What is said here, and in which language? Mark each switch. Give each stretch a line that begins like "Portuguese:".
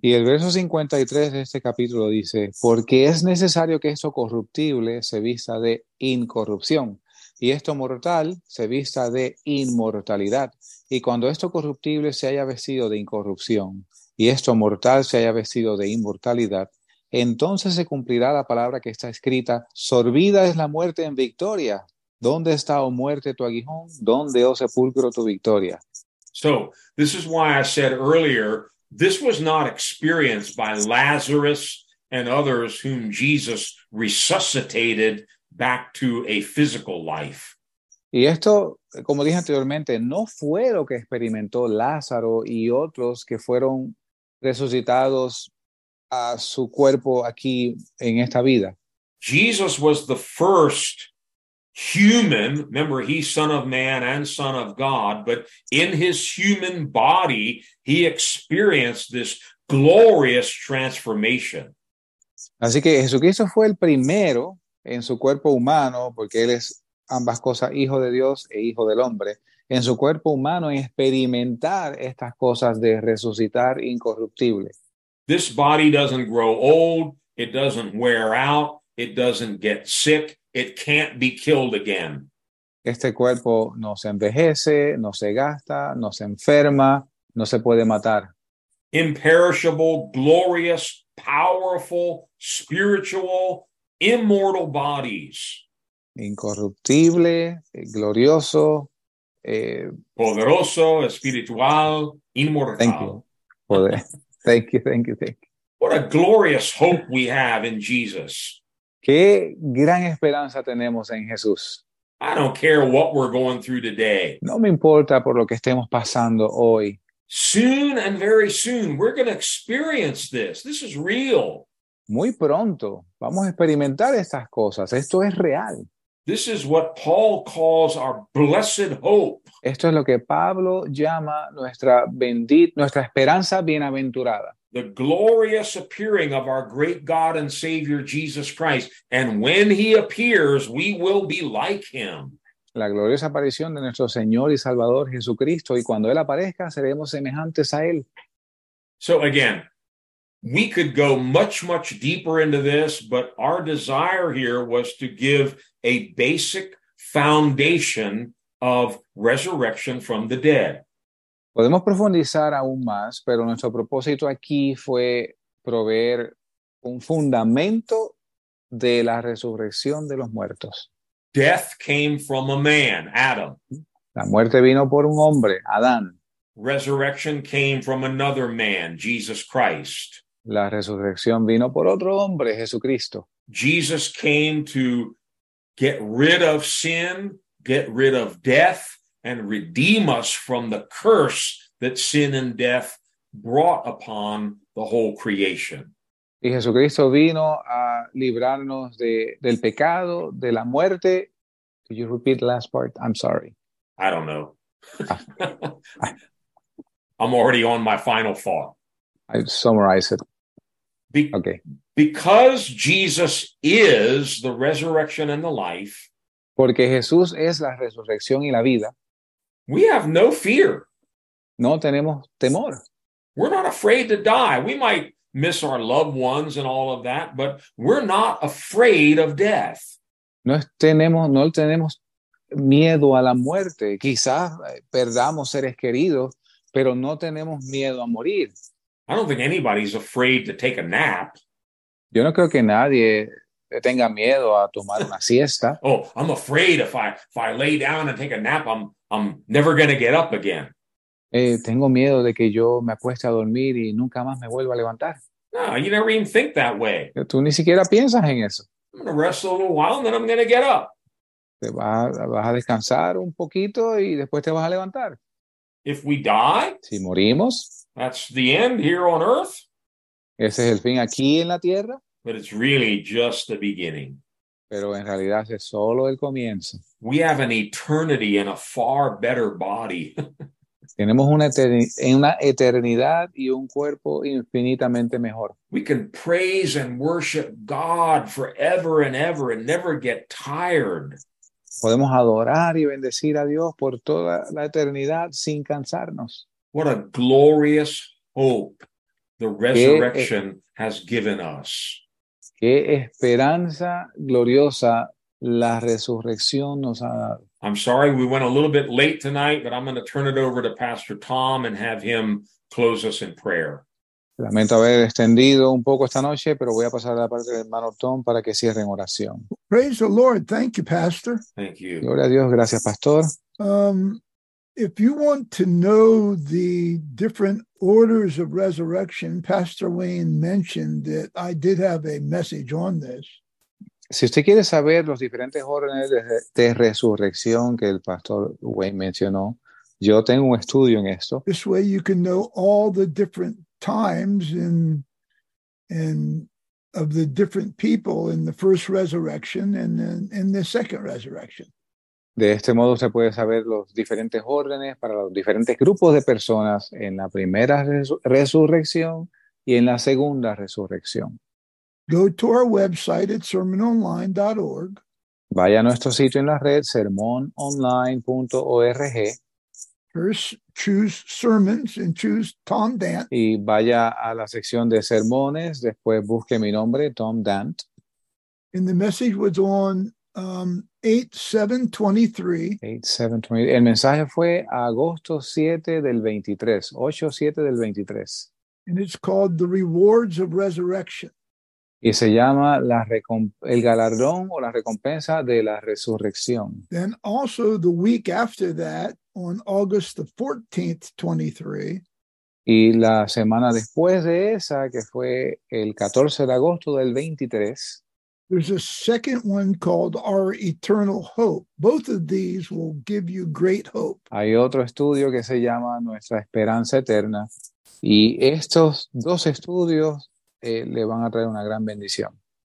Spanish: Y el verso 53 de este capítulo dice, porque es necesario que esto corruptible se vista de incorrupción, y esto mortal se vista de inmortalidad. Y cuando esto corruptible se haya vestido de incorrupción, y esto mortal se haya vestido de inmortalidad, entonces se cumplirá la palabra que está escrita, sorbida es la muerte en victoria. ¿Dónde está, oh muerte, tu aguijón? ¿Dónde, oh sepulcro, tu victoria?
English: So, this is why I said earlier, this was not experienced by Lazarus and others whom Jesus resuscitated back to a physical life.
Spanish: Y esto, como dije anteriormente, no fue lo que experimentó Lázaro y otros que fueron resucitados a su cuerpo aquí en esta vida.
English: Jesus was the first human, remember, he's Son of Man and Son of God, but in his human body, he experienced this glorious transformation.
Spanish: Así que Jesucristo fue el primero en su cuerpo humano, porque él es ambas cosas, hijo de Dios e hijo del hombre, en su cuerpo humano en experimentar estas cosas de resucitar incorruptible.
English: This body doesn't grow old, it doesn't wear out, it doesn't get sick. It can't be killed again.
Spanish: Este cuerpo no se envejece, no se gasta, no se enferma, no se puede matar.
English: Imperishable, glorious, powerful, spiritual, immortal bodies.
Spanish: Incorruptible, glorioso, poderoso, espiritual, inmortal.
English: Thank you. Poder. Thank you, thank you, thank you. What a glorious hope we have in Jesus.
Spanish: Qué gran esperanza tenemos en Jesús.
English: I don't care what we're going through today.
Spanish: No me importa por lo que estemos pasando hoy.
English: Soon and very soon, we're going to experience this. This is real.
Spanish: Muy pronto vamos a experimentar estas cosas. Esto es real.
English: This is what Paul calls our blessed hope.
Spanish: Esto es lo que Pablo llama nuestra bendita, nuestra esperanza bienaventurada.
English: The glorious appearing of our great God and Savior Jesus Christ. And when he appears, we will be like him.
Spanish: La gloriosa aparición de nuestro Señor y Salvador Jesucristo. Y cuando él aparezca, seremos semejantes a él.
English: So again, we could go much, much deeper into this, but our desire here was to give a basic foundation of resurrection from the dead.
Spanish: Podemos profundizar aún más, pero nuestro propósito aquí fue proveer un fundamento de la resurrección de los muertos.
English: Death came from a man, Adam.
Spanish: La muerte vino por un hombre, Adán.
English: Resurrection came from another man, Jesus Christ.
Spanish: La resurrección vino por otro hombre, Jesucristo.
English: Jesus came to get rid of sin, get rid of death, and redeem us from the curse that sin and death brought upon the whole creation.
Spanish: Y Jesucristo vino a librarnos del pecado, de la muerte.
English: Could you repeat the last part? I'm sorry. I don't know. I'm already on my final thought. I summarize it. Because Jesus is the resurrection and the life,
Spanish: porque Jesús es la resurrección y la vida,
English: we have no fear.
Spanish: No tenemos temor.
English: We're not afraid to die. We might miss our loved ones and all of that, but we're not afraid of death.
Spanish: No tenemos miedo a la muerte. Quizás perdamos seres queridos, pero no tenemos miedo a morir.
English: I don't think anybody's afraid to take a nap.
Spanish: Yo no creo que nadie tenga miedo a tomar una siesta.
English: Oh, I'm afraid if I lay down and take a nap, I'm never going to get up again.
Spanish: Tengo miedo de que yo me acueste a dormir y nunca más me vuelva a levantar.
English: No, you never even think that way.
Spanish: Tú ni siquiera piensas en eso.
English: I'm going to rest a little while and then I'm going to get up.
Spanish: Te vas a descansar un poquito y después te vas a levantar.
English: If we die,
Spanish: si morimos,
English: that's the end here on earth.
Spanish: Ese es el fin aquí en la tierra.
English: But it's really just the beginning.
Spanish: Pero en realidad es solo el comienzo.
English: We have an eternity in a far better body.
Spanish: Tenemos una eternidad y un cuerpo infinitamente mejor.
English: We can praise and worship God forever and ever and never get tired.
Spanish: Podemos adorar y bendecir a Dios por toda la eternidad sin cansarnos.
English: What a glorious hope the resurrection has given us.
Spanish: Qué esperanza gloriosa la resurrección nos ha dado.
English: I'm sorry we went a little bit late tonight, but I'm going to turn it over to Pastor Tom and have him close us in prayer.
Spanish: Lamento haber extendido un poco esta noche, pero voy a pasar a la parte del hermano Tom para que cierre en oración.
English: Praise the Lord. Thank you, Pastor. Thank you.
Spanish: Gloria a Dios. Gracias, Pastor.
English: If you want to know the different orders of resurrection, Pastor Wayne mentioned that I did have a message on this.
Spanish: Si usted quiere saber los diferentes órdenes de resurrección que el Pastor Wayne mencionó, yo tengo un estudio en esto.
English: This way you can know all the different times and of the different people in the first resurrection and then in the second resurrection.
Spanish: De este modo usted puede saber los diferentes órdenes para los diferentes grupos de personas en la primera resurrección y en la segunda resurrección.
English: Go to our website at sermononline.org.
Spanish: Vaya a nuestro sitio en la red, sermononline.org.
English: First, choose sermons and choose Tom Dant.
Spanish: Y vaya a la sección de sermones, después busque mi nombre, Tom Dant.
English: And the message was on 8-7-23.
Spanish: El mensaje fue agosto 7 del 23, 8-7 del 23.
English: And it's called The Rewards of Resurrection.
Spanish: Y se llama la el galardón o la recompensa de la resurrección.
English: Then also the week after that, on August the 14th, 23.
Spanish: Y la semana después de esa, que fue el 14 de agosto del 23.
English: There's a second one called Our Eternal Hope. Both of these will give you great hope.
Spanish: Hay otro estudio que se llama Nuestra Esperanza Eterna. Y estos dos estudios le van a traer una gran bendición.